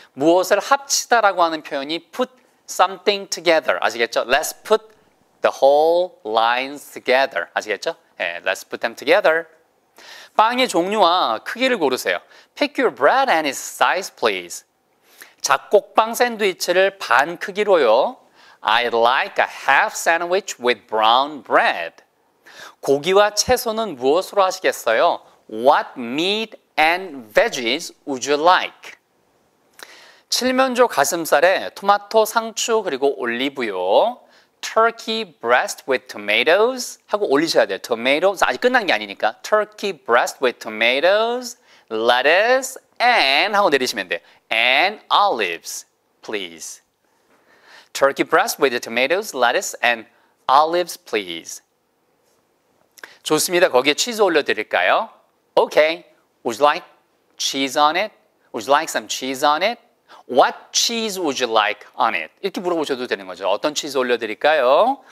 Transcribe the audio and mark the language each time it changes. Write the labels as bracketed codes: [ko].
[ko] 무엇을 합치다라고 하는 표현이 [en] put something together. [ko] 아시겠죠? [en] Let's put the whole lines together. [ko] 아시겠죠? [en] 예, let's put them together. [ko] 빵의 종류와 크기를 고르세요. [en] Pick your bread and its size, please. [ko] 잡곡빵 샌드위치를 반 크기로요. [en] I'd like a half sandwich with brown bread. [ko] 고기와 채소는 무엇으로 하시겠어요? [en] What meat and veggies would you like? [ko] 칠면조 가슴살에 토마토, 상추, 그리고 올리브요. [en] Turkey breast with tomatoes [ko] 하고 올리셔야 돼요. [en] Tomatoes [ko] 아직 끝난 게 아니니까. [en] Turkey breast with tomatoes, lettuce and [ko] 하고 내리시면 돼요. [en] And olives, please. Turkey breast with the tomatoes, lettuce and olives, please. [ko] 좋습니다. 거기에 치즈 올려드릴까요? [en] Okay. Would you like cheese on it? Would you like some cheese on it? What cheese would you like on it? [ko] 이렇게 물어보셔도 되는 거죠. 어떤 치즈 올려드릴까요?